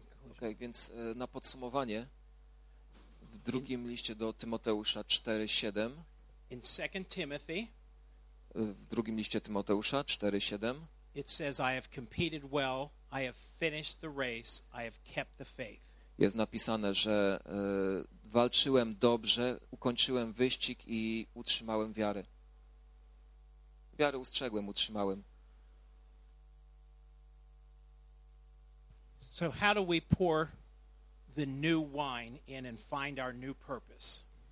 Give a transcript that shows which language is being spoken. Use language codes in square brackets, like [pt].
[pl] okay, więc na podsumowanie, w drugim liście do Tymoteusza 4:7, [en] in 2 Timothy, [pl] w drugim liście Tymoteusza 4:7, [en] it says, I have competed well, I have finished the race, I have kept the faith. [pl] Jest napisane, że walczyłem dobrze, ukończyłem wyścig i utrzymałem wiarę. Wiarę ustrzegłem, utrzymałem. [en] So how do we pour the new wine in and find our new purpose?